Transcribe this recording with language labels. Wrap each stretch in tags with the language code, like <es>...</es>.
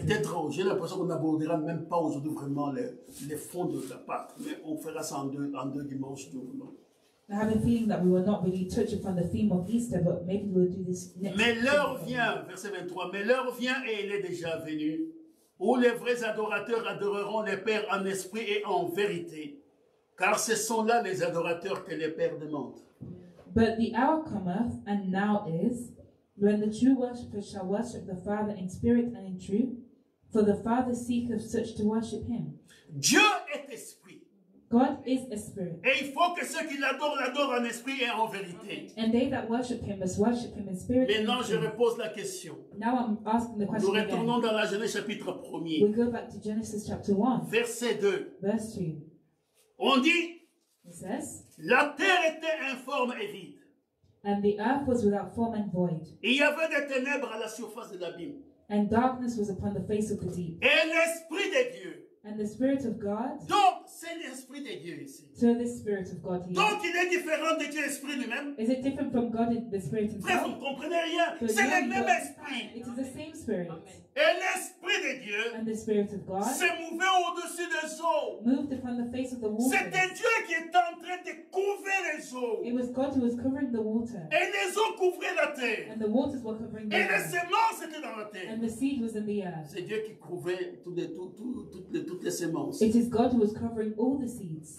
<fr>Peut-être, j'ai l'impression qu'on n'abordera même pas aujourd'hui vraiment les fonds de la Pâque, mais on fera ça en deux dimanches. Non?</fr> <en>I have a feeling that we will not really touch upon the theme of Easter, but maybe we'll do this next.</en> <fr>Mais l'heure vient, verset 23, mais l'heure vient et elle est déjà venue. où les vrais adorateurs adoreront le Père en esprit et en vérité, car ce sont là les adorateurs que le Père demande.</fr> <en>But the hour cometh, and now is, when the true worshippers shall worship the Father in spirit and in truth, for the Father seeketh such to worship him.</en> <fr>Dieu est esprit.</fr> <en>God is a spirit.</en> <fr>Et il faut que ceux qui l'adorent l'adorent en esprit et en vérité.</fr> <en>And they that worship him must worship him in spirit.</en> <fr>Maintenant, je repose la question.</fr> <en>Now I'm asking the question.</en> <fr>Nous retournons</fr> <en>again.</en> <fr>Dans la Genèse chapitre 1er.</fr> <en>We go back to Genesis chapter 1.</en> <fr>Verset 2.</fr> <en>Verse 3.</en> <fr>On dit,</fr> <en>it says,</en> <fr>la terre était informe et vide.</fr> <en>And the earth was without form and void.</en> <fr>Il y avait des ténèbres à la surface de l'abîme.</fr> <en>And darkness was upon the face of the deep.</en> <fr>Et l'esprit de Dieu.</fr> <en>And the spirit of God.</en> <fr>Donc, c'est l'esprit de Dieu ici.</fr> <en>So the spirit of God here.</en> <fr>Donc, il est différent de Dieu l'esprit lui-même.</fr> <en>Is it different from God in the spirit of God?</en> <fr>Vous ne comprenez rien. So c'est le même esprit.</fr> <en>It is the same spirit.</en> <fr>Amen. Et l'esprit de Dieu.</fr> <en>And the spirit of God.</en> <fr>S'est mouvé au-dessus des eaux.</fr> <en>Moved upon the face of the water.</en> <fr>C'était Dieu qui était en train de couvrir les eaux.</fr> <en>It was God who was covering the water.</en> <fr>Et les eaux couvraient la terre.</fr> <en>And the waters were covering the</en> <fr>earth. Et les semences étaient dans la terre.</fr> <en>And the seed was in the earth.</en> <fr>C'est Dieu qui couvrait toutes les semences.</fr> <en>It is God who was covering all the seeds.</en>